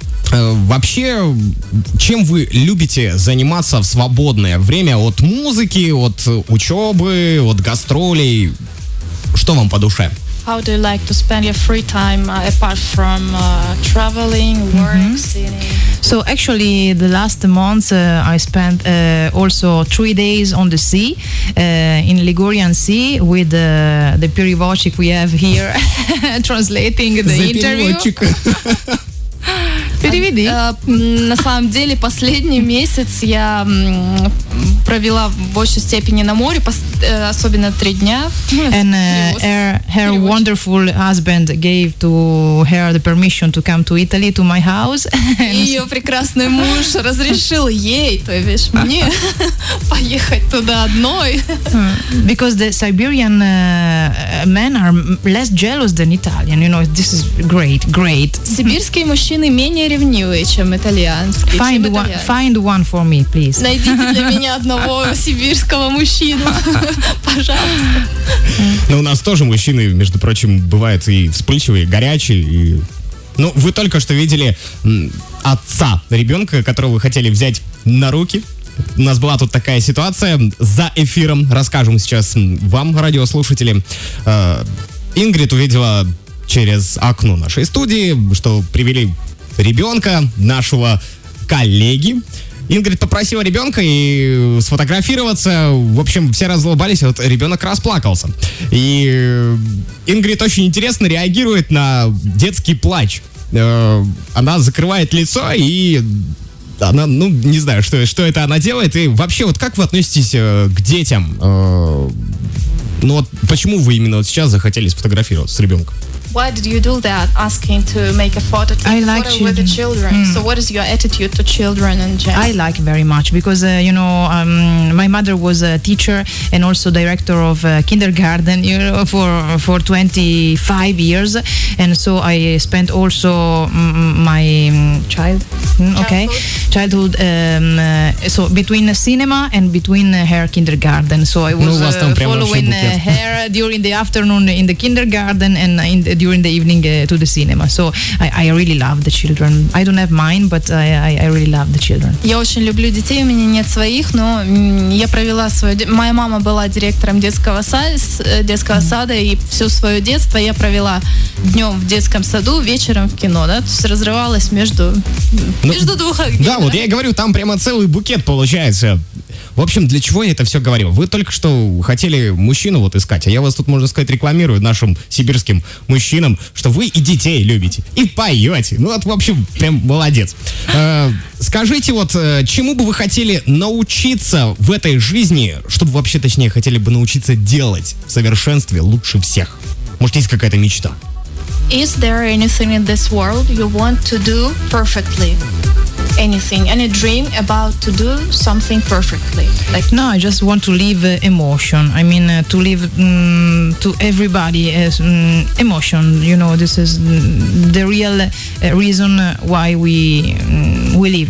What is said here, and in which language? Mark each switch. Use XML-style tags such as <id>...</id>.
<ru>Вообще, чем вы любите заниматься в свободное время от музыки, от учебы, от гастролей? Что вам по душе?</ru> <en>How do you like to spend your free time apart from traveling, work, singing? So actually, the last month I spent also 3 days on the sea, in Ligurian Sea, with the perivocic we have here translating the interview.</en> <ru>Переведи. На самом деле, последний месяц я провела в большей степени на море, особенно 3 дня.</ru> <en>And her wonderful husband gave to her the permission to come to Italy, to my house.</en> <ru>Ее прекрасный муж разрешил ей, то есть мне, поехать туда одной.</ru> <en>Because the Siberian men are less jealous than Italian, you know, this is great, great.</en> <ru>Сибирские мужчины менее ревнивые, чем итальянские.</ru> <en>Find one for me, please.</en> <ru>Найдите для меня одного сибирского мужчину, пожалуйста. Но у нас тоже мужчины, между прочим, бывают и вспыльчивые, и горячие. И... Ну, вы только что видели отца ребенка, которого вы хотели взять на руки. У нас была тут такая ситуация за эфиром. Расскажем сейчас вам, радиослушатели. Ингрид увидела через окно нашей студии, что привели ребенка нашего коллеги. Ингрид попросила ребенка и сфотографироваться. В общем, все разлыбались, вот ребенок расплакался. И Ингрид очень интересно реагирует на детский плач. Она закрывает лицо и... Она, ну, не знаю, что это она делает. И вообще, вот как вы относитесь к детям? Ну, вот почему вы именно вот сейчас захотели сфотографироваться с ребенком?</ru> <en>Why did you do that, asking to make a photo, take a photo children. With the children? Mm. So what is your attitude to children in general? I like very much because, you know, my mother was a teacher and also director of kindergarten, you know, for 25 years. And so I spent also my childhood so between the cinema and between her kindergarten. So I was following her during the afternoon in the kindergarten and in the during the evening to the cinema. So I really love the children. I don't have mine, but I really love the children.</en> <ru>Я очень люблю детей, у меня нет своих, но я провела свою... Моя мама была директором детского сада, и все свое детство я провела днем в детском саду, вечером в кино, да? То есть разрывалась между, между двух огней. Да, вот я и говорю, там прямо целый букет получается. В общем, для чего я это все говорил? Вы только что хотели мужчину вот искать, а я вас тут, можно сказать, рекламирую нашим сибирским мужчинам, что вы и детей любите, и поете. Ну вот, в общем, прям молодец. Скажите вот, чему бы вы хотели научиться в этой жизни, что бы вообще, точнее, хотели бы научиться делать в совершенстве лучше всех? Может, есть какая-то мечта?</ru> <en>Is there anything in this world you want to do perfectly? Anything, any dream about to do something perfectly? Like no, I just want to leave emotion. I mean, to leave to everybody as emotion. You know, this is the real reason why we live.</en>